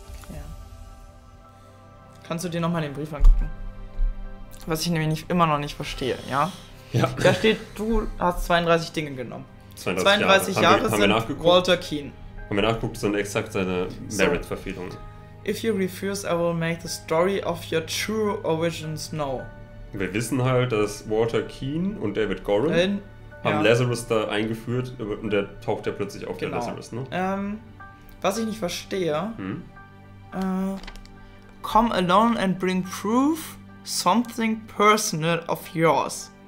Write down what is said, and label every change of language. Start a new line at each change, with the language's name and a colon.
German: Ja. Kannst du dir nochmal den Brief angucken? Was ich nämlich immer noch nicht verstehe, ja? Ja. Da steht, du hast 32 Dinge genommen. 32 Jahre. Haben wir nachgeguckt? Walter Keen. Haben wir nachgeguckt, sind exakt seine Merit-Verfehlungen.
English: If you refuse, I will make the story of your true origins know.
German: Wir wissen halt, dass Walter Keen und David Gorin haben ja. Lazarus da eingeführt und der taucht ja plötzlich auf, genau. Der Lazarus, ne? Was ich nicht verstehe,
English: come alone and bring proof something personal of yours.